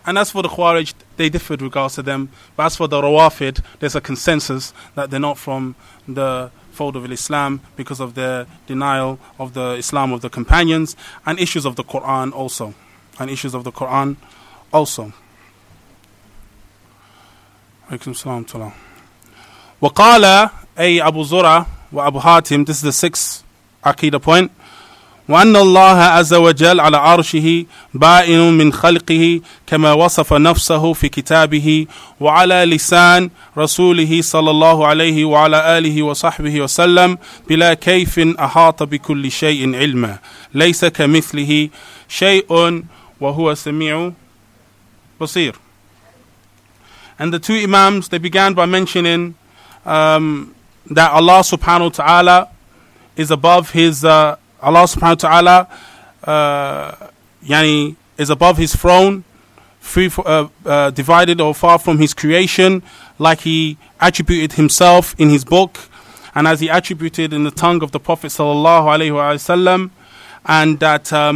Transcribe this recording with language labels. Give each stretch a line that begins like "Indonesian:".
English: And as for the Khawarij, they differed regards to them. But as for the Rawafid, there's a consensus that they're not from the fold of Islam because of their denial of the Islam of the companions and issues of the Quran also. And issues of the Quran also.
Arabic: Alaykum salam to Allah. Waqala ay Abu Zura wa Abu Hatim.
English: This is the sixth Aqeedah point.
Arabic: وأن الله عز وجل على عرشه بائن من خلقه كما وصف نفسه في كتابه وعلى لسان رسوله صلى الله عليه وعلى آله وصحبه وسلم بلا كيف أحاط بكل شيء علما ليس كمثله شيء وهو سميع بصير.
English: And the two imams, they began by mentioning that Allah subhanahu wa ta'ala is above his Allah subhanahu wa ta'ala yani is above his throne, free for, divided or far from his creation, like he attributed himself in his book, and as he attributed in the tongue of the Prophet sallallahu alayhi wa sallam, and that